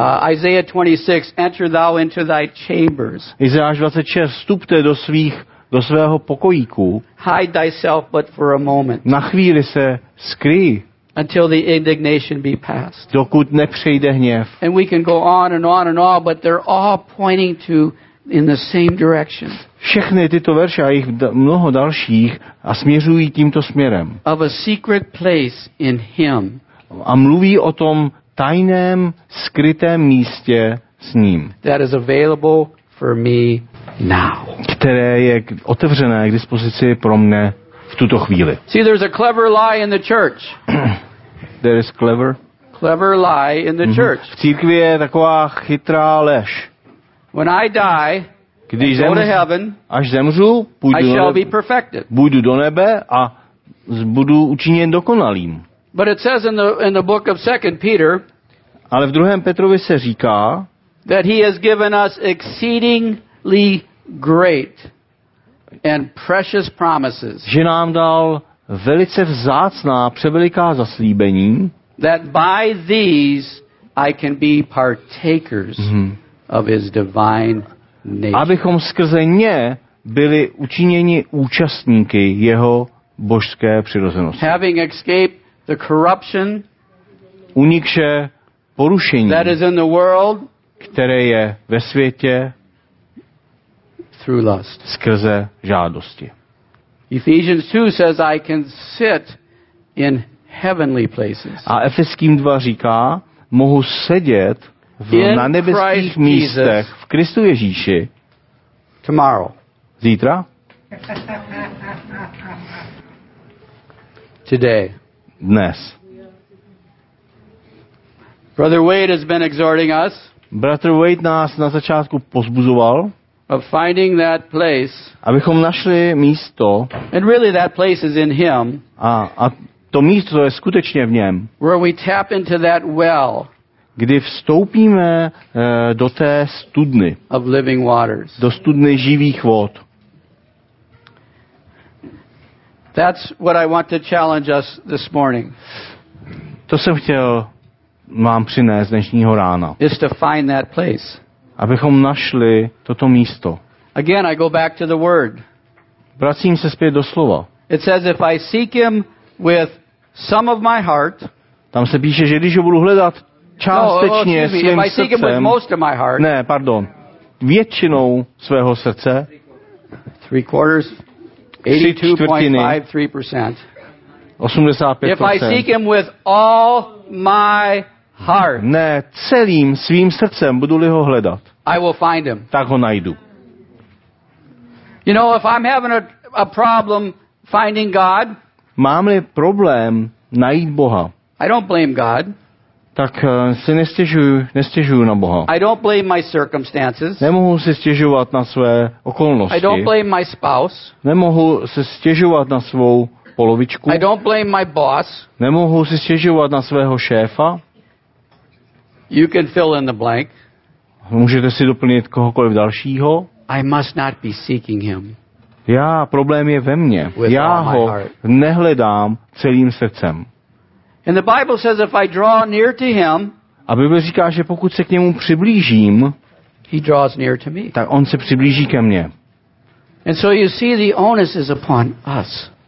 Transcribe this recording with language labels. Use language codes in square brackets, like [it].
[en] Isaiah 26, enter thou into thy chambers. [cs] Izajáš 26, vstupte do svého pokojíku. [en] Hide thyself but for a moment. [cs] Na chvíli se skryj. [en] Until the indignation be passed. [cs] Dokud nepřejde hněv. [en] And we can go on and on and on, but they're all pointing to in the same direction. [cs] Všechny tyto verše a jich mnoho dalších a směřují tímto směrem. [en] Of a secret place in him. [cs] A mluví o tom tajném, skrytém místě s ním. [en] That is available for me now. [cs] Které je otevřené k dispozici pro mne. V tuto chvíli. [en] See, there's a clever lie in the church. There is clever. Clever lie in the church. [cs] V církvi je taková chytrá lež. [en] When I die, [cs] když [en] go to heaven, [cs] až zemřu, půjdu [en] I shall be perfected. [cs] Půjdu do nebe a budu učiněn dokonalým. [en] But it says in the book of 2 Peter, [cs] ale v 2. Petrovi se říká, [en] that he has given us exceedingly great and precious promises. [cs] Že nám dal velice vzácná, převeliká zaslíbení. [en] That by these I can be partakers of his divine nature. [cs] Abychom skrze ně byli učiněni účastníky jeho božské přirozenosti. [en] Having escaped the corruption, [cs] unikše porušení, [en] that is in the world, [cs] které je ve světě. [en] Through lust. [cs] Skrze žádosti. [en] Ephesians 2 says I can sit in heavenly places. [cs] A Efeským 2 říká, mohu sedět na nebeských místech v Kristu Ježíši. [en] Tomorrow. [cs] Zítra. [en] Today. [cs] dnes. [en] Brother Wade has been exhorting us. [cs] Bratr Wade nás na začátku pozbuzoval. [en] Of finding that place. [cs] Abychom našli místo. [en] And really that place is in him. [cs] A to místo je skutečně v něm. [en] Where we tap into that well. [cs] Kdy vstoupíme do té studny. [en] Of living waters. [cs] Do studny živých vod. [en] That's what I want to challenge us this morning. [cs] To jsem chtěl vám přinést dnešního rána. [en] Is to find that place. [cs] Abychom našli toto místo. [en] Again, I go back to the word. [cs] Vracím se zpět do slova. [en] It says if I seek him with some of my heart. [cs] Tam se píše, že když ho budu hledat částečně svým srdcem. [en] Seek him with most of my heart. [cs] Ne, pardon. Většinou svého srdce. [en] Three quarters. 82.53%. 85%. If I seek him with all my heart. [cs] Ne, celým svým srdcem budu-li ho hledat. [en] I will find him. [cs] Tak ho najdu. [en] You know, if I'm having a problem finding God. [cs] Mám-li problém najít Boha. [en] I don't blame God. [cs] Tak si nestěžuju na Boha. [en] I don't blame my circumstances. [cs] Nemohu si stěžovat na své okolnosti. [en] I don't blame my spouse. [cs] Nemohu si stěžovat na svou polovičku. [en] I don't blame my boss. [cs] Nemohu si stěžovat na svého šéfa. [en] You can fill in the blank. [cs] Můžete si doplnit kohokoliv dalšího. [en] I must not be seeking him. [cs] Já, problém je ve mně. [en] With [cs] já ho nehledám celým srdcem. [en] And the Bible says if I draw near to him, [cs] a Bible říká, že pokud se k němu přiblížím, [en] he draws near to me. [cs] Tak on se přiblíží ke mně. [en] And so you see the onus is upon us.